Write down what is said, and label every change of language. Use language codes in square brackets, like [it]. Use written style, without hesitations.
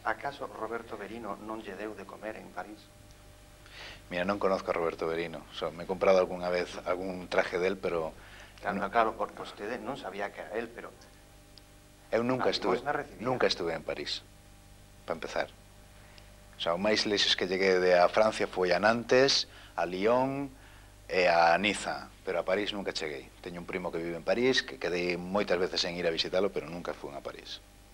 [gl] ¿Acaso Roberto Verino non lle deu de comer en París? [es] Mira, non conozco a Roberto Verino. Me he comprado alguna vez algún traje del, pero Claro, no, claro, porque usted non sabía que era él, pero... [gl] Eu nunca estuve en París, para empezar. O sea, o máis leixes que llegué de a Francia foi a Nantes, a Lyon e a Niza, pero a París nunca cheguei. Teño un primo que vive en París, que quedei moitas veces en ir a visitarlo, pero nunca fui a París.